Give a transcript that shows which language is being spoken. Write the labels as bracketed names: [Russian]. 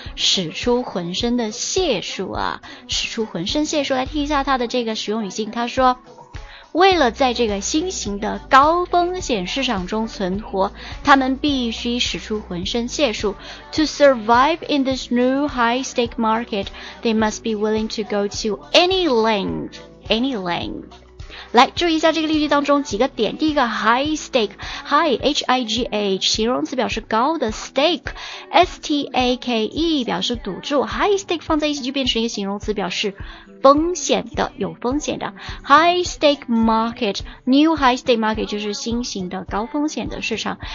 [Chinese] 使出浑身的解数啊，使出浑身解数。来听一下它的这个使用语境，它说为了在这个新型的高风险市场中存活，他们必须使出浑身解数。 [English] To survive in this new high-stake market, they must be willing to go to any length. Any length. [Chinese] 来，注意一下这个例句当中几个点。第一个 high-stake, high-h-i-g-h, 形容词表示高的 stake, s-t-a-k-e, 表示赌注。 high-stake 放在一起就变成一个形容词表示风险的，有风险的 high stake market， new high stake market 就是新型的高风险的市场。